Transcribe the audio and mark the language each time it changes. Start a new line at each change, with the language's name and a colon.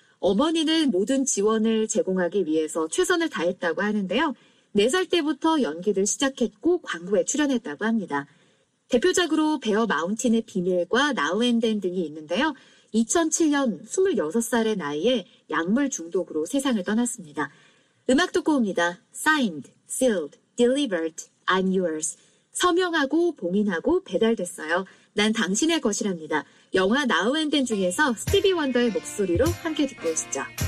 Korean: 어머니는 모든 지원을 제공하기 위해서 최선을 다했다고 하는데요. 4살 때부터 연기를 시작했고 광고에 출연했다고 합니다. 대표작으로 베어 마운틴의 비밀과 나우앤덴 등이 있는데요. 2007년 26살의 나이에 약물 중독으로 세상을 떠났습니다. 음악 듣고 옵니다.
English: Signed, Sealed, Delivered, I'm Yours.
Korean: 서명하고 봉인하고 배달됐어요. 난 당신의 것이랍니다. 영화 Now and Then 중에서 스티비 원더의 목소리로 함께 듣고 오시죠.